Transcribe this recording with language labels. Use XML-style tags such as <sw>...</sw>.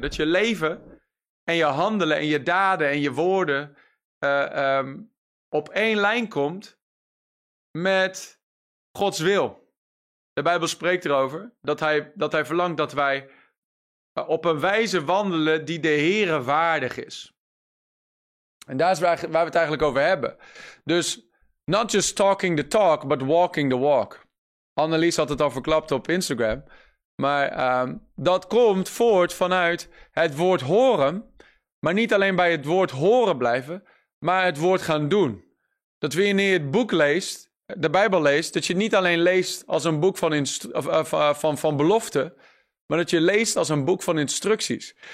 <nl>Dat je leven en je handelen en je daden en je woorden op één lijn komt met Gods wil. De Bijbel spreekt erover dat hij verlangt dat wij op een wijze wandelen die de Heere waardig is. En daar is waar we het eigenlijk over hebben.</nl> <en>Dus not just talking the talk, but walking the walk.</en> <nl>Annelies had het al verklapt op Instagram. Maar dat komt voort vanuit het woord horen. Maar niet alleen bij het woord horen blijven, maar het woord gaan doen. Dat wanneer je het boek leest, de Bijbel leest, dat je niet alleen leest als een boek van belofte, maar dat je leest als een boek van instructies.</nl>